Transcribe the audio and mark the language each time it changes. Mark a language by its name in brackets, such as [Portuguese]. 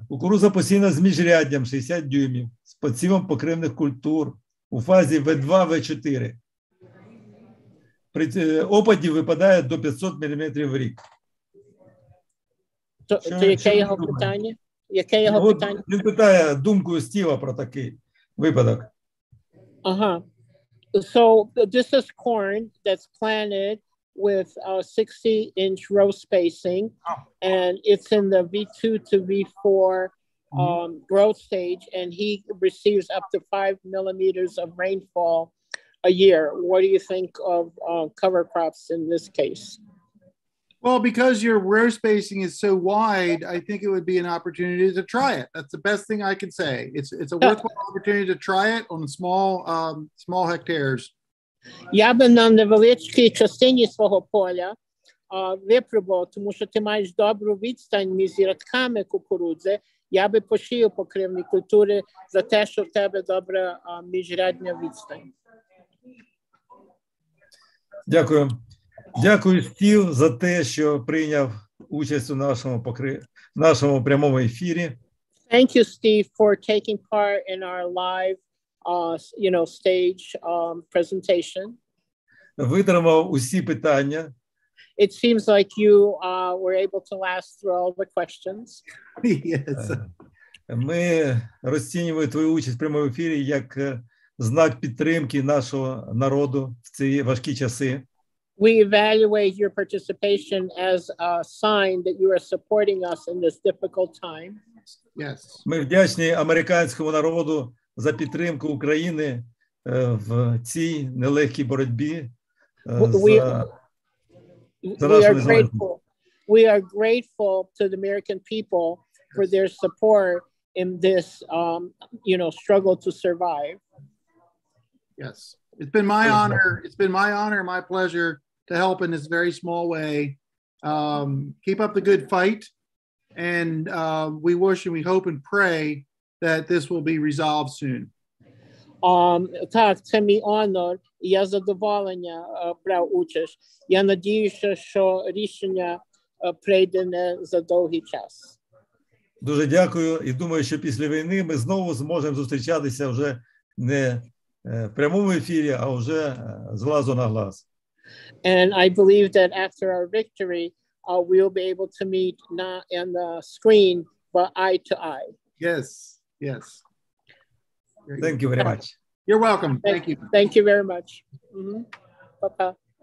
[Ukrainian] Кукуруза посіяна з міжряддям 60 дюймів, з посівом покривних культур у фазі В2-В4. При опаді випадає до 500 мм в рік. То яке його питання? Яке його питання? Він питає думку Стіва про такий випадок. Ага. [English] So this is corn that's planted with 60-inch row spacing, and it's in the V2 to V4 growth stage, and he receives up to 5 millimeters of rainfall a year. What do you think of cover crops in this case? Well, because your row spacing is so wide, I think it would be an opportunity to try it. That's the best thing I can say. It's a worthwhile opportunity to try it on small small hectares. [Ukrainian] Я би на невеличкій частині свого поля випробував, тому що ти маєш добру відстань між рядками кукурудзи. Я би посіяв покривні культури за те, що в тебе добра міжрядня відстань. Дякую. Дякую, Стів, за те, що прийняв участь у нашому нашому прямому ефірі. [English] Thank you, Steve, for taking part in our live stage presentation. [Ukrainian] Витримав усі питання. [English] It seems like you were able to last through all the questions. Yes. [Ukrainian] Ми розцінюємо твою участь в прямому ефірі як знак підтримки нашого народу в ці важкі часи. [English] We evaluate your participation as a sign that you are supporting us in this difficult time. Yes. [Ukrainian] Ми вдячні американському народу за підтримку України в цій нелегкій боротьбі за нашу незалежність. [English] We are grateful to the American people for their support in this struggle to survive. Yes. It's been my honor, my pleasure to help in this very small way. Keep up the good fight, and we wish and we hope and pray that this will be resolved soon. [Ukrainian] Так, це мій онор. Я задоволення брав участь. Я надіюся, що рішення прийде не за довгий час. Дуже дякую. І думаю, що після війни ми знову зможемо зустрічатися вже не в прямому ефірі, а вже з глазу на глаз. [English] And I believe that after our victory, we'll be able to meet not on the screen, but eye to eye. Yes, yes. Thank you very much. You're welcome. Thank you. Thank you very much. Mm-hmm. Bye-bye.